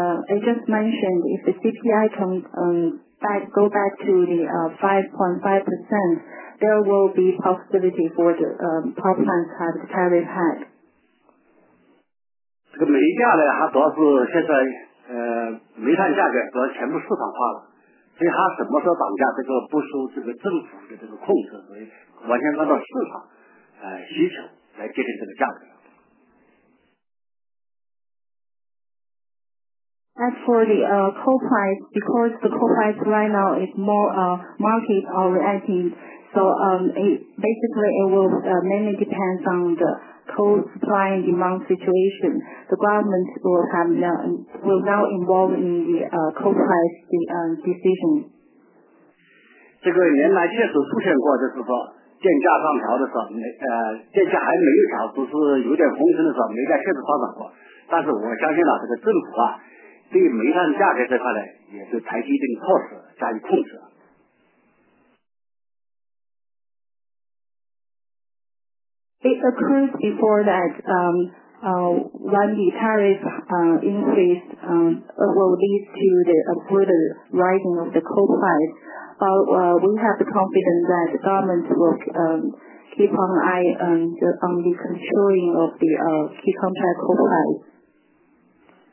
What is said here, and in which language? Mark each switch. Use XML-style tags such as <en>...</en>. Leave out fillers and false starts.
<en>If the CPI can go back to the 5.5%. There will be possibility for the power plant to have tariff hike.</en> <zh>这个煤价呢，它主要是现在煤炭价格主要全部市场化了，所以它什么时候涨价，这个不受这个政府的这个控制，所以完全按照市场需求来决定这个价格。</zh> <en>As for the coal price, because the coal price right now is more market oriented. So it will mainly depends on the coal supply and demand situation. The government will have now involved in the coal price decision.</en> <zh>这个原来确实出现过，就是说电价上调的时候，电价还没有调，只是有点风声的时候，煤价确实上涨过。但是我相信了这个政府啊，对煤炭价格这块呢，也是采取一定措施加以控制。</zh> <en>It occurred before that when the tariff increase will lead to the further rising of the coal price. But we have the confidence that the government will keep an eye on the controlling of the key contract coal price.</en>